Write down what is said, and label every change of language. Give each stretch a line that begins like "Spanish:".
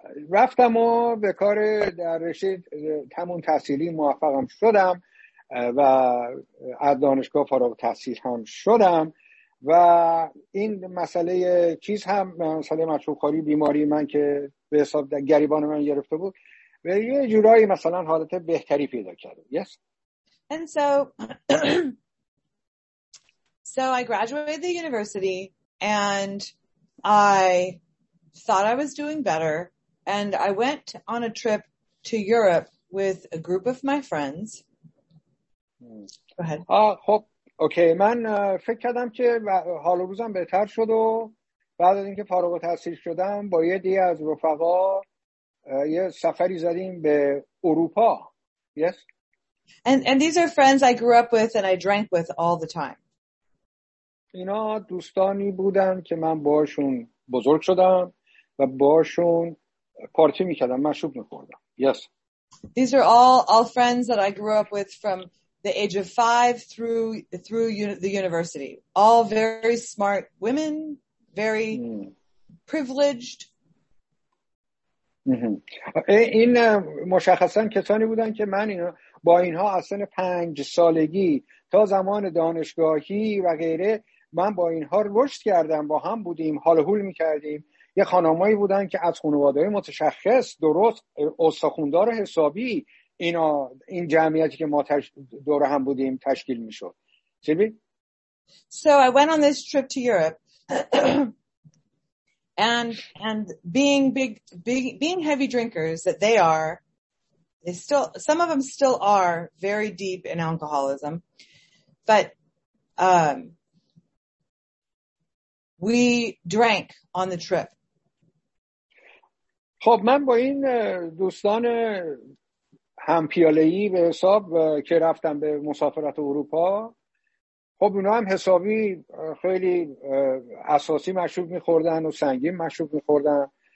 Persian: رفتم و به کار در رشته تموم تحصیلی موفقم شدم و از دانشگاه فارغ التحصیل هم شدم و این مسئله چیز هم مسئله مشروب‌خواری بیماری من که به حساب گریبان من گرفته بود و یه جورایی مثلا حالت بهتری پیدا کرده.
English: Yes. And so I graduated the university and I thought I was doing better and I went on a trip to Europe with a group of my friends. Go ahead. خب
Persian: اوکی من فکر کردم که حال روزم بهتر شد و بعد از اینکه فارغ التحصیل شدم با یه دی از رفقا یه سفری زدیم به اروپا.
English: Yes. And these are friends I grew up with and I drank with all the time.
Persian: اینا دوستانی بودن که من باشون بزرگ شدم و باشون پارتی میکردم، مشروب میخوردم.
English: Yes. These are all friends that I grew up with from the age of 5 through the university. All very smart women, very privileged.
Persian: این مشخصا کسانی بودن که من اینا با اینها از سن 5 سالگی تا زمان دانشگاهی و غیره من با اینها رشد کردم، با هم بودیم، حال حول می‌کردیم. یه خانمایی بودن که از خانواده متشخص، درست، استخوندار حسابی اینا این جمعیتی که ما دور هم بودیم تشکیل می‌شد. چی؟
English: So I went on this trip to Europe. And being being heavy drinkers that they are, some of them still are very deep in alcoholism, but we drank on the trip.
Persian: خب من با این دوستان همپیاله‌ای به حساب که رفتم به مسافرت اروپا، خب اونا هم حسابی خیلی اساسی مشروب می‌خوردن و سنگین مشروب می‌خوردن.